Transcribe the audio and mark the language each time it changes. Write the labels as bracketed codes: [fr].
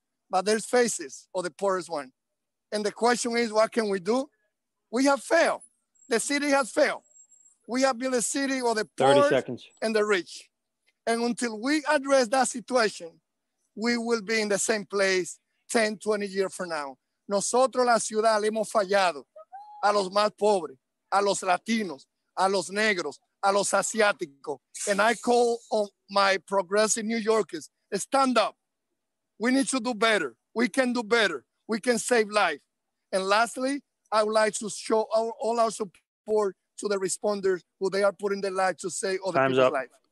[en] But there's faces of the poorest one. And the question is, what can we do? We have failed. The city has failed. We have built a city of the poor and the rich. And until we address that situation, we will be in the same place 10, 20 years from now. [es] Nosotros, la ciudad, le hemos fallado a los más pobres, a los latinos, a los negros, a los asiáticos. [en] And I call on my progressive New Yorkers, stand up. We need to do better. We can do better. We can save life. And lastly, I would like to show all our support to the responders who they are putting their lives to save other Time's people's lives.